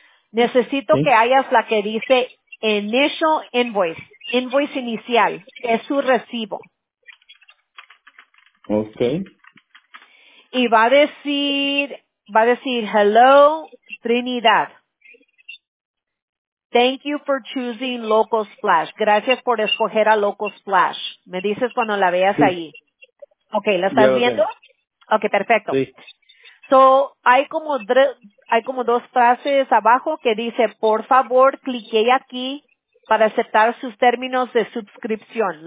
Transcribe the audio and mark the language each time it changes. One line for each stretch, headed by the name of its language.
Spanish: Necesito que hayas la que dice Initial Invoice, Invoice Inicial, es su recibo. Okay. Y va a decir,
English: hello,
Spanish: Trinidad.
English: Thank you for choosing Local Splash.
Spanish: Gracias por escoger a Local Splash. Me dices cuando la veas ahí. Okay, ¿la estás viendo? Okay, perfecto. Sí. So, hay como dos frases abajo que dice, por favor, clique aquí para aceptar sus términos de suscripción.